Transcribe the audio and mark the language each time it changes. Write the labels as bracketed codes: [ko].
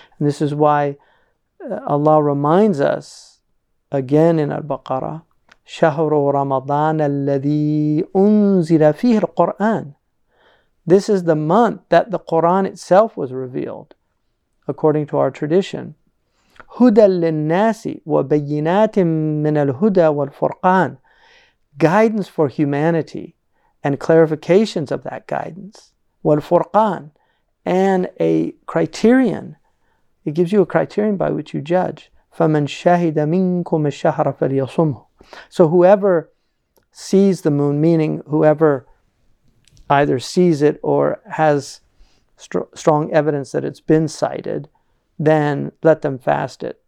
[en] And this is why Allah reminds us again in Al-Baqarah, [ar] شهر رمضان الذي أنزل فيه القرآن. [en] This is the month that the Quran itself was revealed, according to our tradition. [ar] هدى للناس وبينات من الهدى والفرقان. [en] Guidance for humanity and clarifications of that guidance. والفرقان, and a criterion. It gives you a criterion by which you judge. [ar] فَمَنْ شَهِدَ مِنْكُمَ الشَّهْرَ فَلْيَصُمْهُ. [en] So whoever sees the moon, meaning whoever either sees it or has strong evidence that it's been sighted, then let them fast it.